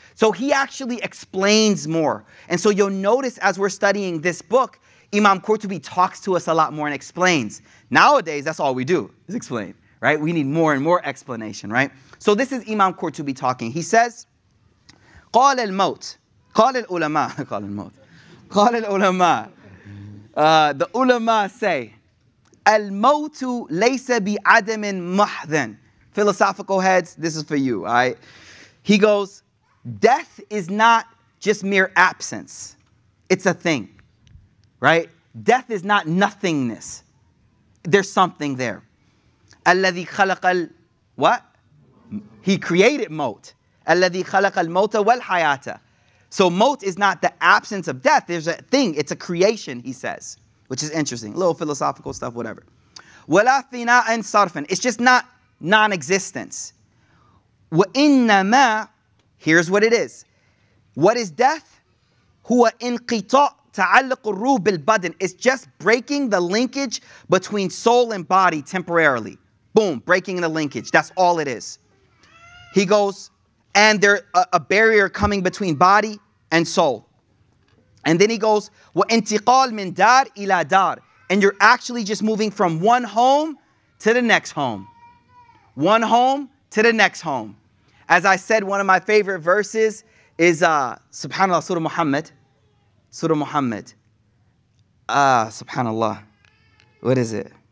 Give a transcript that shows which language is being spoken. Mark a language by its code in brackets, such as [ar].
[en] So he actually explains more. And so you'll notice as we're studying this book, Imam Qurtubi talks to us a lot more and explains. Nowadays, that's all we do is explain, right? We need more and more explanation, right? So this is Imam Qurtubi talking. He says, [ar] قال الموت. قال العلماء. قال الموت. قال العلماء. [en] The ulama say, [ar] الموت ليس بعدم محض. [en] Philosophical heads, this is for you, all right? He goes, death is not just mere absence. It's a thing, right? Death is not nothingness. There's something there. [ar] الذي خلق ال... [en] What? He created موت. [ar] الذي خلق الموت والحياة. [en] So موت is not the absence of death. There's a thing. It's a creation, he says, which is interesting. A little philosophical stuff, whatever. [ar] ولا فناء صرفا. [en] It's just not non-existence. [ar] وإنما, [en] here's what it is. What is death? [ar] هو انقطاع تعلق الروح بالبدن. [en] It's just breaking the linkage between soul and body temporarily. Boom, breaking the linkage. That's all it is. He goes, and there's a barrier coming between body and soul. And then he goes, [ar] وانتقال من دار إلى دار. [en] And you're actually just moving from one home to the next home. One home to the next home. As I said, one of my favorite verses is SubhanAllah, Surah Muhammad. Surah Muhammad. SubhanAllah. What is it?